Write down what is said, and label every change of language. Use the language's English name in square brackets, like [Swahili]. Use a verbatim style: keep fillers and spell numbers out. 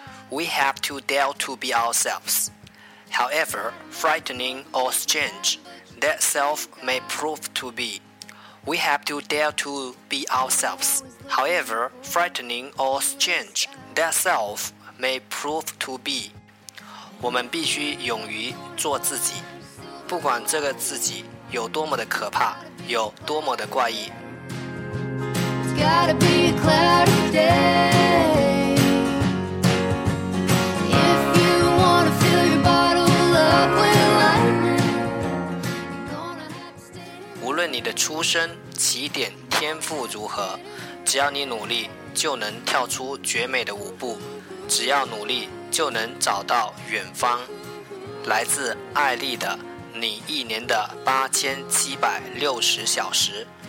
[English] We have to dare to be ourselves. However frightening or strange, that self may prove to be. We have to dare to be ourselves. However frightening or strange, that self may prove to be. [Chinese] 我们必须勇于做自己，不管这个自己有多么的可怕，有多么的怪异。 [English] It's gotta be a cloudy day If you wanna fill your bottle up with lightning You're gonna have to stay away [Chinese] 无论你的出身、起点、天赋如何，只要你努力，就能跳出绝美的舞步；只要努力，就能找到远方。来自艾丽的你一年的八千七百六十小时。